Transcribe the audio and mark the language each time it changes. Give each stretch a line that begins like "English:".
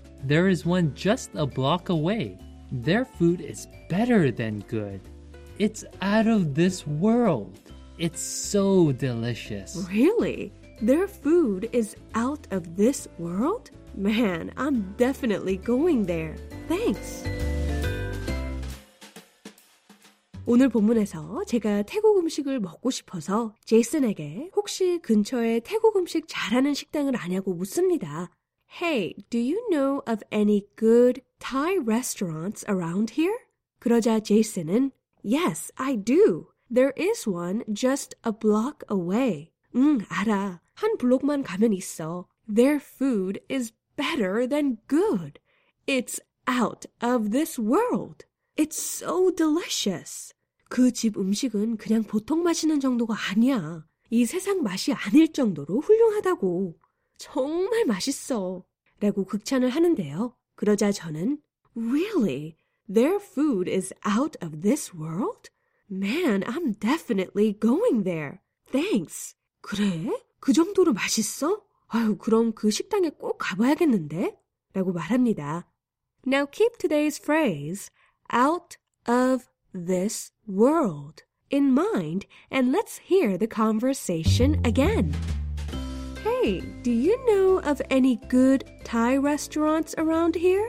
English: There is one just a block away. Their food is better than good. It's out of this world. It's so delicious. Really? Their food is out of this world? Man, I'm definitely going there. Thanks.
Korean: 오늘 본문에서 제가 태국 음식을 먹고 싶어서 제이슨에게 혹시 근처에 태국 음식 잘하는 식당을 아냐고 묻습니다.
English: Hey, do you know of any good Thai restaurants around here?
Korean: 그러자 제이슨은
English: Yes, I do. There is one just a block away.
Korean: 응, 알아. 한 블록만 가면 있어.
English: Their food is better than good. It's out of this world. It's so delicious.
Korean: 그 집 음식은 그냥 보통 맛있는 정도가 아니야. 이 세상 맛이 아닐 정도로 훌륭하다고. 정말 맛있어. 라고 극찬을 하는데요. 그러자 저는
English: Really? Their food is out of this world? Man, I'm definitely going there. Thanks.
Korean: 그래? 그 정도로 맛있어? 아유, 그럼 그 식당에 꼭 가봐야겠는데? 라고 말합니다.
English: Now keep today's phrase, out of this world, in mind, and let's hear the conversation again. Hey, do you know of any good Thai restaurants around here?